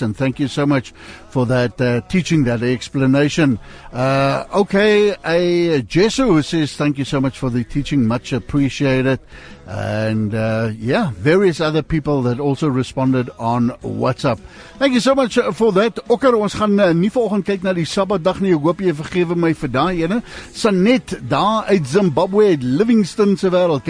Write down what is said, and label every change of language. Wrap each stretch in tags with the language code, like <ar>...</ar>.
<en>And thank you so much for that teaching, that explanation. Okay, Jesu says, thank you so much for the teaching. Much appreciated. And various other people that also responded on WhatsApp. Thank you so much for that.</en> <af>Okay, ons gaan nie vanoggend kyk na die Sabbatdag nie. Ek hoop jy vergewe my vir daai ene. Sanet daar uit Zimbabwe, uit Livingston se wêreld.</af>